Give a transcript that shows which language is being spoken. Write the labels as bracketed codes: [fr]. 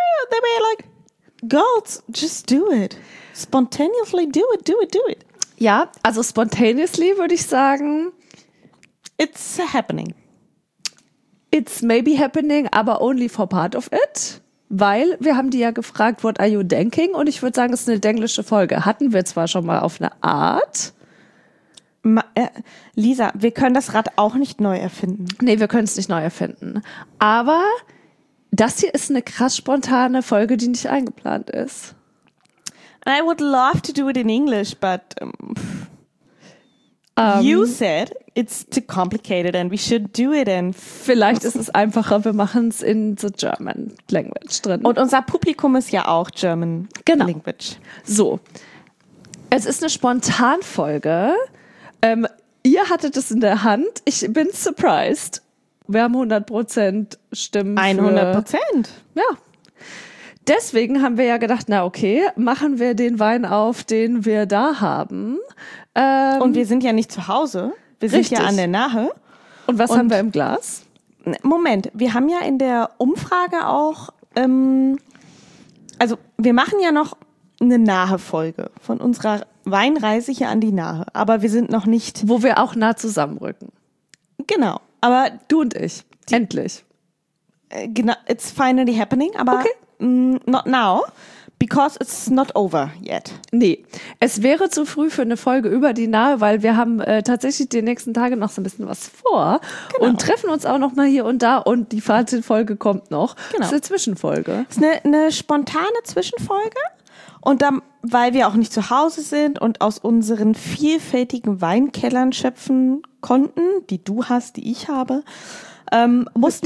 [en] They were like, girls, just do it. Spontaneously do it, do it, do it. Yeah, [de] also spontaneously würde ich sagen. [en] It's happening. It's maybe happening, [de] aber [en] only for part of it. [de] Weil wir haben die ja gefragt, [en] what are you thinking? [de] Und ich würde sagen, es ist eine denglische Folge. Hatten wir zwar schon mal auf eine Art. Lisa, wir können das Rad auch nicht neu erfinden. Nee, wir können es nicht neu erfinden. Aber das hier ist eine krass spontane Folge, die nicht eingeplant ist. [en] I would love to do it in English, but you said it's too complicated and we should do it in... [de] Vielleicht ist es einfacher, wir machen es in [en] the German language [de] drin. Und unser Publikum ist ja auch German genau. [en] Language. [de] So, es ist eine Spontanfolge. Ihr hattet es in der Hand. Ich bin surprised. Wir haben 100% Stimmen. 100%? Für, ja. Deswegen haben wir ja gedacht, na okay, machen wir den Wein auf, den wir da haben. Und wir sind ja nicht zu Hause, wir richtig. Sind ja an der Nahe. Und was und haben wir im Glas? Moment, wir haben ja in der Umfrage auch, also wir machen ja noch eine Nahe-Folge von unserer Weinreise hier an die Nahe. Aber wir sind noch nicht... Wo wir auch nah zusammenrücken. Genau, aber... Du und ich, die, endlich. Genau, [en] it's finally happening, [de] aber... [en] Okay. Not now, because it's not over yet. [de] Nee, es wäre zu früh für eine Folge über die Nahe, weil wir haben tatsächlich die nächsten Tage noch so ein bisschen was vor. Genau. Und treffen uns auch noch mal hier und da und die Fazitfolge kommt noch. Genau. Das ist eine Zwischenfolge. Das ist eine spontane Zwischenfolge. Und dann, weil wir auch nicht zu Hause sind und aus unseren vielfältigen Weinkellern schöpfen konnten, die du hast, die ich habe, mussten